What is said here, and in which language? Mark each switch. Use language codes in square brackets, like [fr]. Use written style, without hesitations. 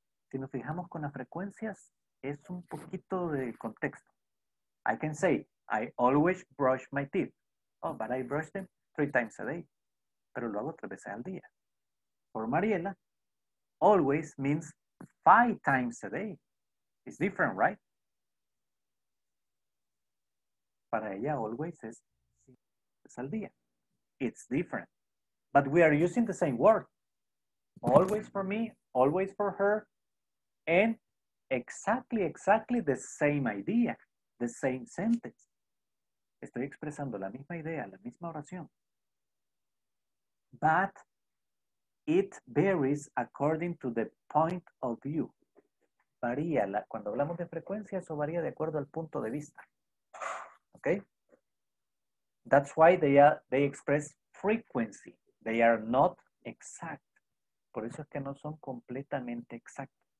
[es] Si nos fijamos con las frecuencias, es un poquito de contexto. [en] I can say, I always brush my teeth. Oh, but I brush them 3 times a day. [es] Pero lo hago 3 veces al día. [en] For Mariela, always means 5 times a day. It's different, right? [es] Para ella, always es 5 veces al día. [en] It's different. But we are using the same word. Always for me, always for her. And exactly, exactly the same idea, the same sentence. [es] Estoy expresando la misma idea, la misma oración. [en] But it varies according to the point of view. [es] Varía, la, cuando hablamos de frecuencia, eso varía de acuerdo al punto de vista. Okay? [en] That's why they express frequency. They are not exact. [es] Por eso es que no son completamente exactos.